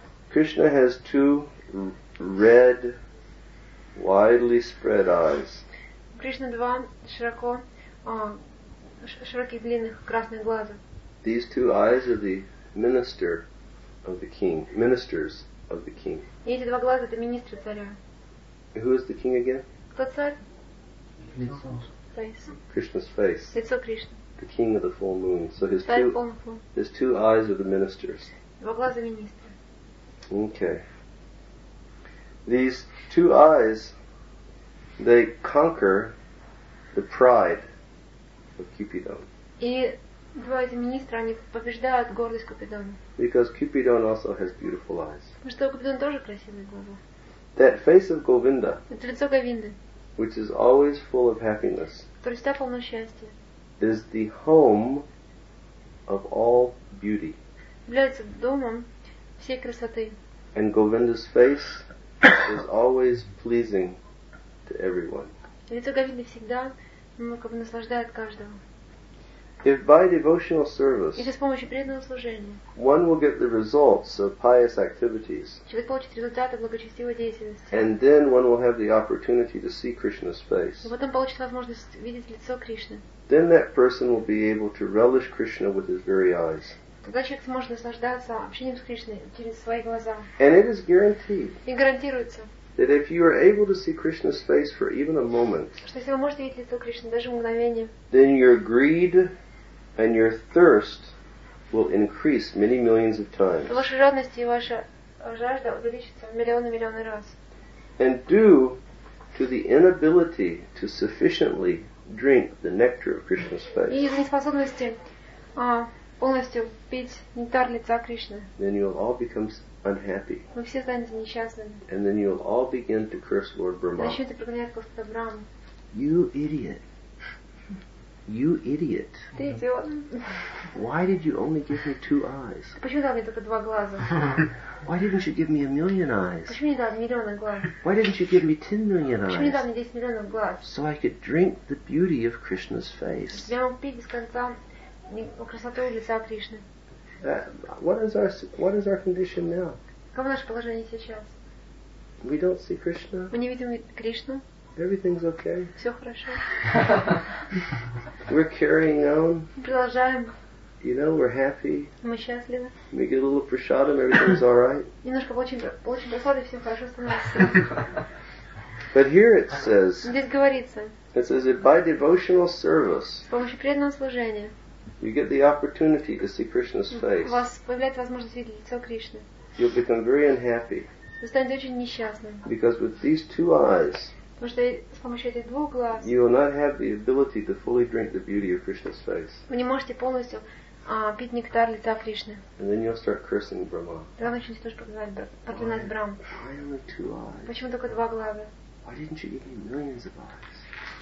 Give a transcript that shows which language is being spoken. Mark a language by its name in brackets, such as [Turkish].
[English] Krishna has two red, widely spread eyes. [Russian] Krishna два широко широких длинных красных глаза. [English] These two eyes are the minister of the king, ministers of the king. [Russian] Эти два глаза это министры царя. [English] Who is the king again? [Russian] Кто царь? Лицо. [English] Krishna's face. [Russian] Лицо Кришны. [English] The king of the full moon. So his two eyes are the ministers. [Russian] Два глаза министры. [English] Okay. These two eyes, they conquer the pride of Cupidon. [Russian] И два эти министра, они побеждают гордость Купидона. [English] Because Cupidon also has beautiful eyes. [Russian] Потому что Купидон тоже красивые глаза. [English] That face of Govinda. [Russian] Это лицо Говинды. [English] Which is always full of happiness. [Russian] Которое всегда полно счастья. [English] Is the home of all beauty. [Russian] Является домом всей красоты. [English] And Govinda's face is always pleasing to everyone. [Russian] Лицо Говинды всегда как бы наслаждает каждого. [English] If by devotional service, [Russian] если с помощью преданного служения, [English] one will get the results of pious activities, [Russian] человек получит результаты благочестивой деятельности, [English] and then one will have the opportunity to see Krishna's face, [Russian] и потом получит возможность видеть лицо Кришны, [English] then that person will be able to relish Krishna with his very eyes. [Russian] Тогда человек сможет наслаждаться общением с Кришной через свои глаза. [English] And it is guaranteed. [Russian] И гарантируется. [English] That if you are able to see Krishna's face for even a moment, [Russian] что если вы можете видеть лицо Кришны даже мгновение, [English] then your greed and your thirst will increase many millions of times. [Russian] Ваша жадность и ваша жажда увеличится миллионы раз. [English] And due to the inability to sufficiently drink the nectar of Krishna's face. [Russian] И из-за неспособности полностью пить нектар лица Кришны. [English] Then you'll all become unhappy. [Russian] Вы все станете несчастными. [English] And then you'll all begin to curse Lord Brahma. [Russian] Начнете проклинать Господа Брахму. [English] You idiot. You idiot. [Russian] Ты идиот. [English] Why did you only give me two eyes? [Russian] Почему дал мне только два глаза? [English] Why didn't you give me a million eyes? [Russian] Почему не дал миллион глаз? [English] Why didn't you give me 10 million eyes? [Russian] Почему не дал мне 10 миллионов глаз? [English] So I could drink the beauty of Krishna's face. [Russian] Я мог пить без конца красоту лица Кришны. [English] What is our condition now? [Russian] Каково наше положение сейчас? [English] We don't see Krishna. [Russian] Мы не видим Кришну. [English] Everything's okay. [Russian] Все хорошо. [English] We're carrying on. [Russian] Продолжаем. [English] You know, we're happy. [Russian] Мы счастливы. [English] We get a little prasadam, everything's all right. [Russian] Немножко получим просады, все хорошо становится. [English] But here it says. [Russian] Здесь говорится. [English] It says that by devotional service. [Russian] С помощью преданного служения. [English] You get the opportunity to see Krishna's face. [Russian] У вас появляется возможность видеть лицо Кришны. [English] You'll become very unhappy. [Russian] Вы станете очень несчастным. [English] Because with these two eyes. [Russian] Потому что с помощью этих двух глаз [English] you will not have the ability to fully drink the beauty of Krishna's face. [Russian] Вы не можете полностью пить нектар лица Кришны. [English] And then you'll start cursing Brahma. [Russian] Тогда начнете тоже проклинать Брахму. [English] Why only two eyes? [Russian] Почему только два глаза? [English] Why didn't you give me millions of eyes?